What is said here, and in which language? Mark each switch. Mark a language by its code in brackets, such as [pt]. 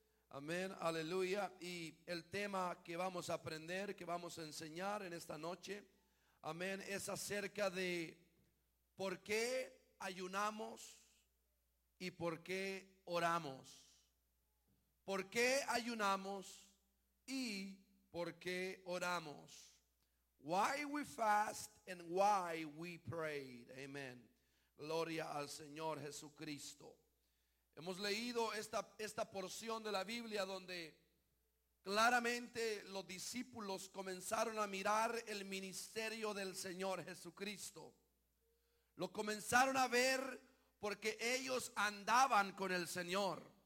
[es] Amén, aleluya. Y el tema que vamos a aprender, que vamos a enseñar en esta noche, amén, es acerca de por qué ayunamos y por qué oramos. ¿Por qué ayunamos y por qué oramos? [en] Why we fast and why we prayed. [es] Amén. Gloria al Señor Jesucristo. Hemos leído esta porción de la Biblia donde claramente los discípulos comenzaron a mirar el ministerio del Señor Jesucristo. Lo comenzaron a ver porque ellos andaban con el Señor.